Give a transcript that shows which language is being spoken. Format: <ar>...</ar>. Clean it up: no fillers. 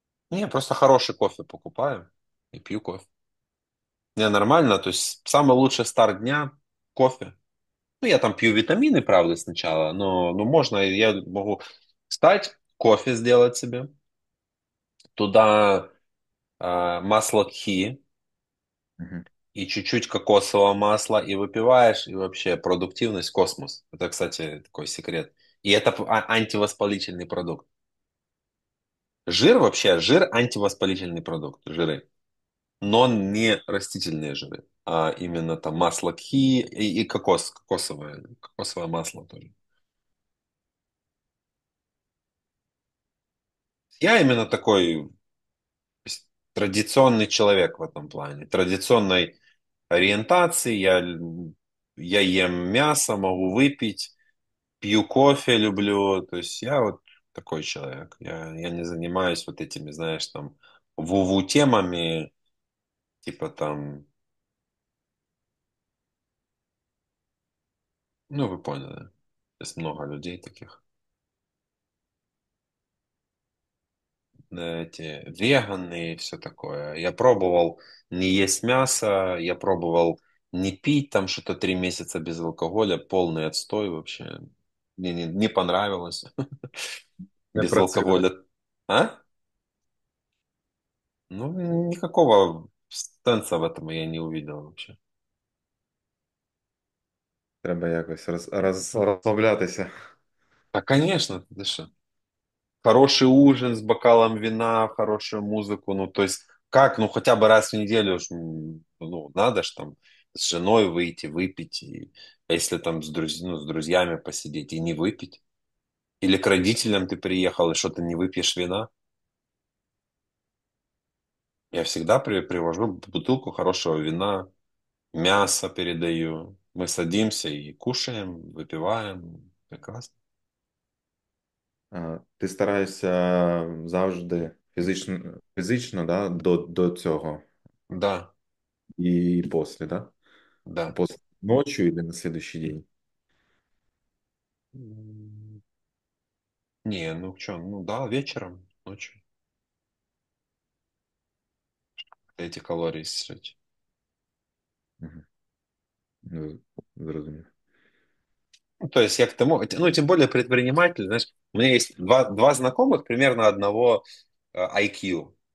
<ru>Не, просто хороший кофе покупаю и пью кофе. Не, нормально, то есть самый лучший старт дня – кофе. Ну, я там пью витамины, правда, сначала, но можно, я могу встать, кофе сделать себе. Туда масло ghee. И чуть-чуть кокосового масла, и выпиваешь, и вообще продуктивность космос. Это, кстати, такой секрет. И это антивоспалительный продукт. Жир вообще, жир антивоспалительный продукт, жиры. Но не растительные жиры, а именно там масло кхи и кокосовое масло тоже. Я именно такой традиционный человек в этом плане, традиционной</ru> <uk>орієнтації, я їм м'ясо, можу випити, п'ю кофе, люблю. Тобто я от такий чоловік. Я не займаюся от цими, знаєш, там, вову темами, типу там. Ну, ви поняли. Десь багато людей таких. Вегани і все таке. Я пробував не їсти м'ясо, я пробував не пити там щось 3 місяці без алкоголя, повний відстой</uk> <ru>вообще.</ru> <uk>Мені не</uk> <ru>понравилось.</ru> <uk>Не Без працює. алкоголя. А? Ну, ніякого сенсу</uk> <ru>в этом я не увидел вообще.</ru> <uk>Треба якось розслаблятися. Та, звісно, ти що? Хороший ужин з бокалом вина, хорошу музику.</uk> <ru>Ну, то есть, как? Ну,</ru> <uk>хоча б</uk> <ru>раз в неделю ж, ну, надо ж там</ru> <uk>з женою вийти, випити. А якщо там з друзями посидіти і не випити?</uk> <ru>Или</ru> <uk>к родителям ти приїхав, і що ти не вип'єш вина? Я завжди привожу</uk> <ru>бутылку</ru> <uk>хорошого вина, м'ясо передаю. Ми садимося і кушаємо, випиваємо. Прекрасно. Ти стараєшся завжди фізично, да, до цього Да. і після, да? Да.</uk> <ru>После</ru> <uk>ночі і на слідуючий день.</uk> <ru>Не, ну чо, ну да, вечером, ночью. Эти калории сжечь.</ru> <uk>Зрозумів.</uk> <ru>Ну, то есть, я к тому, ну, тем более предприниматель, знаешь, у меня есть два знакомых, примерно одного IQ.</ru>